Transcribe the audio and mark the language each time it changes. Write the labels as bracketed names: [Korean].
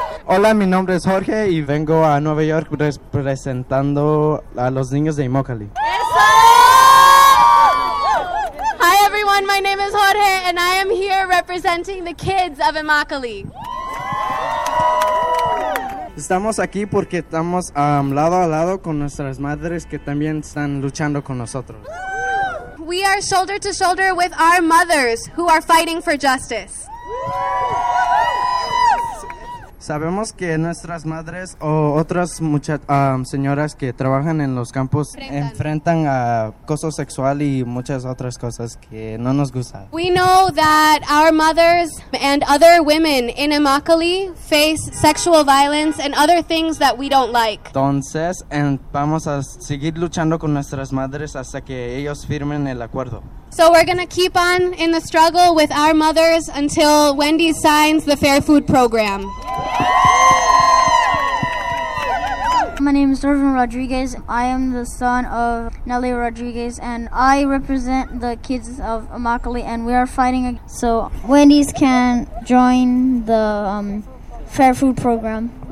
[Spanish] Hola, mi nombre es Jorge y vengo a Nueva York representando a los niños de Immokalee. ¡Eso! [English] everyone. My name is Jorge, and I am here representing the kids of Immokalee. [Spanish] Estamos aquí porque estamos lado a lado con nuestras madres que también están luchando con nosotros. [English] We are shoulder to shoulder with our mothers who are fighting for justice. [Spanish] Sabemos que nuestras madres o otras señoras que trabajan en los campos enfrentan acoso sexual y muchas otras cosas que no nos gustan. [English] We know that our mothers and other women in Immokalee face sexual violence and other things that we don't like. [Spanish] Entonces, vamos a seguir luchando con nuestras madres hasta que ellos firmen el acuerdo. [English] So we're going to keep on in the struggle with our mothers until Wendy signs the Fair Food Program. My name is Irvin Rodriguez. I am the son of Nelly Rodriguez, and I represent the kids of Immokalee, and we are fighting so Wendy's can join the Fair Food Program.